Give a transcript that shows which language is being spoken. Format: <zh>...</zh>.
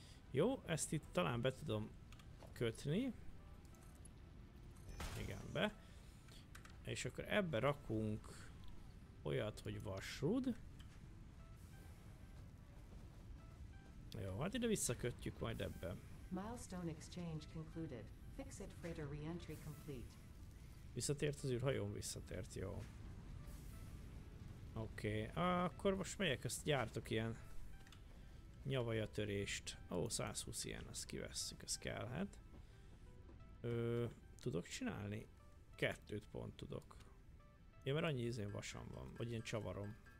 <hu>Jó, ezt itt talán be tudom kötni. Igen, be. És akkor ebbe rakunk olyat, hogy vasrud. Jó, hát ide visszakötjük majd ebbe.</hu> <en>Milestone exchange concluded. Fix it freighter re-entry complete.</en> <hu>Visszatért az űrhajón, visszatért, jó. Oké, akkor most melyek ezt gyártok ilyen nyavajatörést. Ó, 120 ilyen, azt kivesszük, ez kellhet. Tudok csinálni? Kettőt pont tudok. Ja, mert annyi izén vasam van, vagy ilyen csavarom.</hu>